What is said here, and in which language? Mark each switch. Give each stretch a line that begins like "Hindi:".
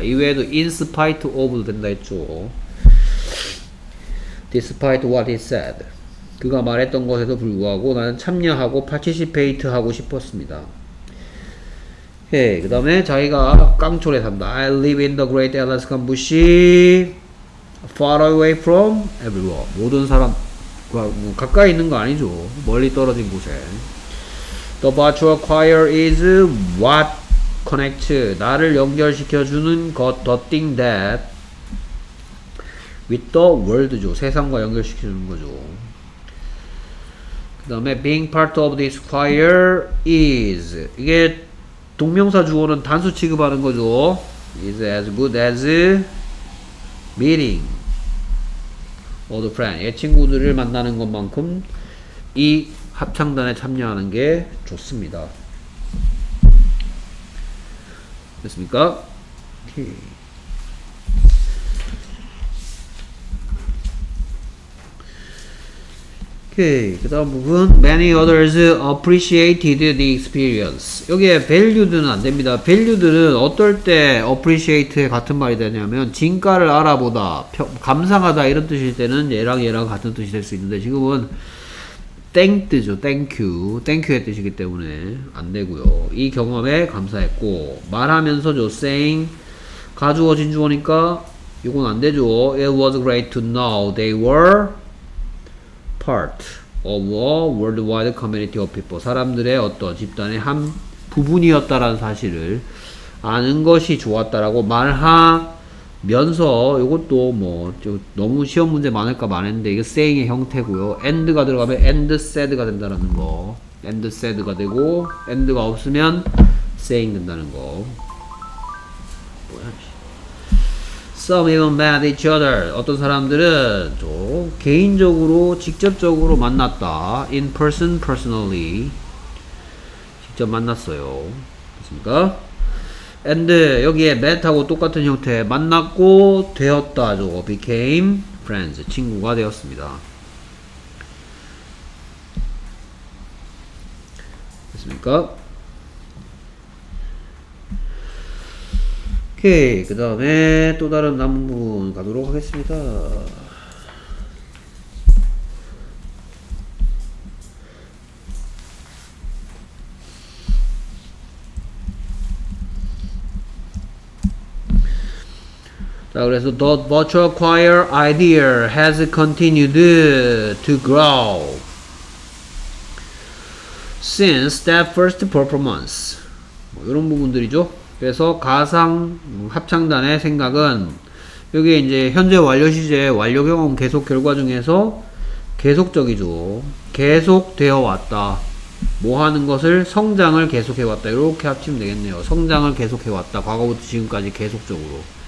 Korean: 이외에도 in spite of도 된다 했죠.
English: despite what he said
Korean: 그가 말했던 것에도 불구하고 나는 참여하고 participate 하고 싶었습니다. 예, 그 다음에 자기가 깡촌에 산다.
English: I live in the great Alaskan bush far away from everyone.
Korean: 모든 사람 뭐 가까이 있는 거 아니죠. 멀리 떨어진 곳에.
English: The virtual choir is what connects
Korean: 나를 연결시켜주는 것,
English: the thing that with the world죠.
Korean: 세상과 연결시켜주는 거죠. 그 다음에
English: being part of this choir is
Korean: 이게 동명사 주어는 단수 취급하는 거죠.
English: is as good as meeting old friend,
Korean: 옛 친구들을 만나는 것만큼 이 합창단에 참여하는 게 좋습니다. 됐습니까? 오케이.
English: 오케이.
Korean: 그 다음 부분,
English: many others appreciated the experience.
Korean: 여기에 valued는 안 됩니다. valued는 어떨 때 appreciate에 같은 말이 되냐면, 진가를 알아보다, 감상하다 이런 뜻일 때는 얘랑 얘랑 같은 뜻이 될 수 있는데, 지금은 땡 뜨죠.
English: thank you.
Korean: thank you의 뜻이기 때문에 안 되고요. 이 경험에 감사했고, 말하면서죠. saying, 가주어 진주어니까 이건 안 되죠.
English: it was great to know they were part of a worldwide community of people.
Korean: 사람들의 어떤 집단의 한 부분이었다라는 사실을 아는 것이 좋았다라고 말하면서 이것도 뭐 좀 너무 시험 문제 많을까 많은데 이게 saying의 형태고요. and가 들어가면 and said가 된다는 거. and said가 되고 and가 없으면 saying 된다는 거.
English: Some even met each other.
Korean: 어떤 사람들은 개인적으로 직접적으로 만났다.
English: In person, personally.
Korean: 직접 만났어요. 됐습니까? And 여기에 met하고 똑같은 형태. 만났고 되었다.
English: Became friends.
Korean: 친구가 되었습니다. 됐습니까? 오케이, 그 다음에 또 다른 남은 부분 가도록 하겠습니다. 자, 그래서
English: The virtual choir idea has continued to grow since that first performance.
Korean: 뭐 이런 부분들이죠. 그래서 가상 합창단의 생각은 여기 이제 현재 완료 시제 완료 경험 계속 결과 중에서 계속적이죠. 계속되어 왔다. 뭐 하는 것을 성장을 계속해 왔다. 이렇게 합치면 되겠네요. 성장을 계속해 왔다. 과거부터 지금까지 계속적으로.